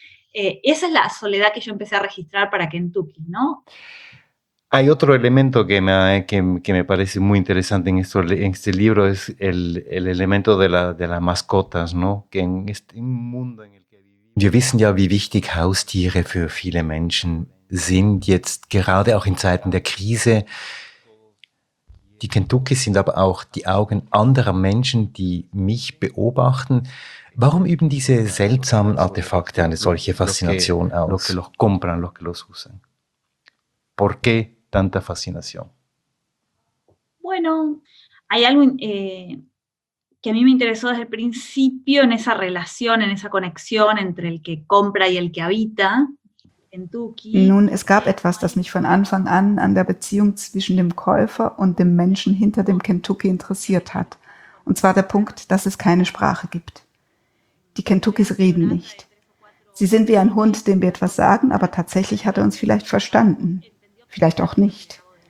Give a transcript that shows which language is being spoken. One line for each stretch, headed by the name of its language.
Spanish: Esa es la soledad que yo empecé a registrar para Kentucky, ¿no? Hay otro elemento que me parece muy interesante en este libro, es el elemento de las mascotas, ¿no? Que en este mundo en el que vivimos.
German: Wir wissen ja, wie wichtig Haustiere für viele Menschen sind, jetzt gerade auch in Zeiten der Krise. Die Kentuckys sind aber auch die Augen anderer Menschen, die mich beobachten. Warum üben diese seltsamen Artefakte eine solche Faszination aus?
Spanish: Los que los compran, los que los usan. ¿Por qué tanta fascinación? Bueno, hay algo que a mí me interesó desde el principio en esa relación, en esa conexión entre el que compra y el que habita. Kentucky.
German: Nun, es gab etwas, das mich von Anfang an der Beziehung zwischen dem Käufer und dem Menschen hinter dem Kentucky interessiert hat. Und zwar der Punkt, dass es keine Sprache gibt. Die Kentuckys reden nicht. Sie sind wie ein Hund, dem wir etwas sagen, aber tatsächlich hat er uns vielleicht verstanden. Vielleicht auch nicht.